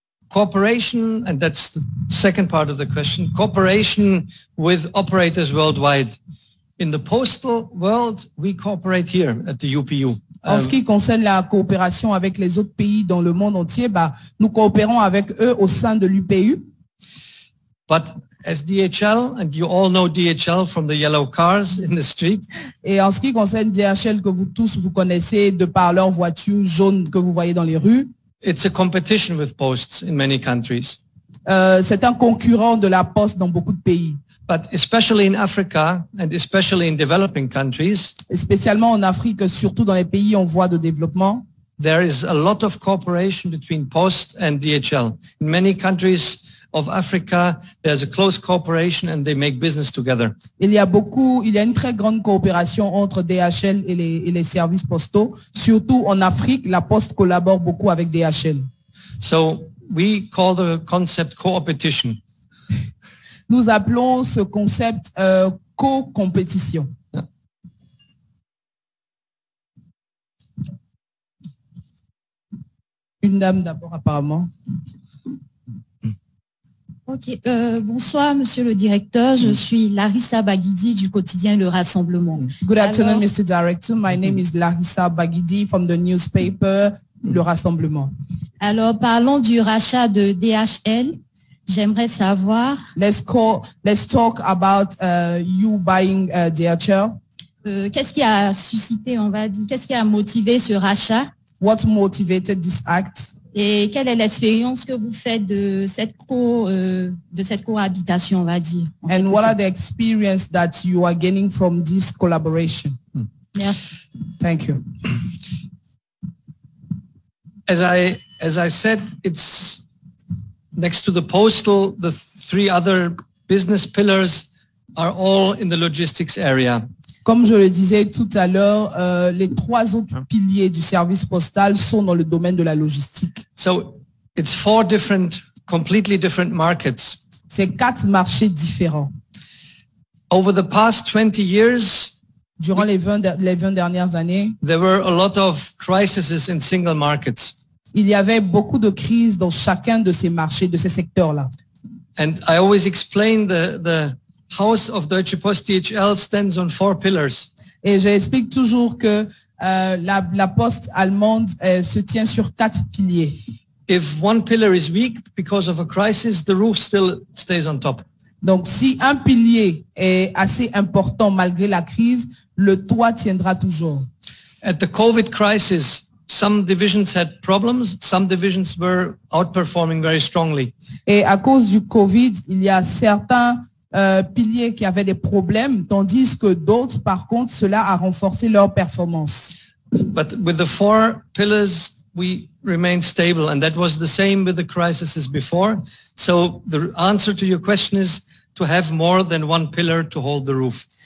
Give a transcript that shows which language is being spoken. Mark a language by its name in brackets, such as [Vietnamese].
[English] Cooperation, and that's the second part of the question. Cooperation with operators worldwide. In the postal world, we cooperate here at the UPU. [French] En ce qui concerne la coopération avec les autres pays dans le monde entier, nous coopérons avec eux au sein de l'UPU. [English] But as DHL, and you all know DHL from the yellow cars in the street. [French] Et en ce qui concerne DHL que vous tous vous connaissez de par leurs voitures jaunes que vous voyez dans les rues. [English] It's a competition with posts in many countries. [French] C'est un concurrent de la poste dans beaucoup de pays. [English] But especially in Africa and especially in developing countries. [French] Et spécialement en Afrique, surtout dans les pays en voie de développement. [English] There is a lot of cooperation between Post and DHL. In many countries of Africa, there's a close cooperation and they make business together. [French] Il y a une très grande coopération entre DHL et les services postaux. Surtout en Afrique, la Poste collabore beaucoup avec DHL. [English] So we call the concept coopetition. [French] Nous appelons ce concept co-compétition. Une dame d'abord, apparemment. Ok, bonsoir, monsieur le directeur. Je suis Larissa Baguidi du quotidien Le Rassemblement. [English] Good afternoon, alors, Mr. Director. My name is Larissa Baguidi from the newspaper Le Rassemblement. [French] Alors, parlons du rachat de DHL. J'aimerais savoir. [English] Let's talk about you buying DHL. [French] Qu'est-ce qui a motivé ce rachat? [English] What motivated this act? [French] Et quelle est l'expérience que vous faites de cette cohabitation, on va dire? [English] And what are the experience that you are gaining from this collaboration? [French] Merci. [English] Thank you. As I said, it's next to the postal, the three other business pillars are all in the logistics area. [French] Comme je le disais tout à l'heure, les trois autres piliers du service postal sont dans le domaine de la logistique. [English] So it's four different, completely different markets. [French] C'est quatre marchés différents. [English] Over the past 20 years, [French] durant les 20 dernières années, [English] there were a lot of crises in single markets. [French] Il y avait beaucoup de crises dans chacun de ces marchés, de ces secteurs-là. [English] And I always explain the house of Deutsche Post DHL stands on four pillars. [French] Et j'explique toujours que la poste allemande se tient sur quatre piliers. [English] If one pillar is weak because of a crisis, the roof still stays on top. [French] Donc si un pilier est assez important malgré la crise, le toit tiendra toujours. [English] At the COVID crisis, some divisions had problems, some divisions were outperforming very strongly. [French] Et à cause du COVID, il y a certains piliers qui avaient des problèmes, tandis que d'autres, par contre, cela a renforcé leur performance. [English] But with the four pillars, we remained stable, and that was the same with the crises before. So the answer to your question is to have more than one pillar to hold the roof.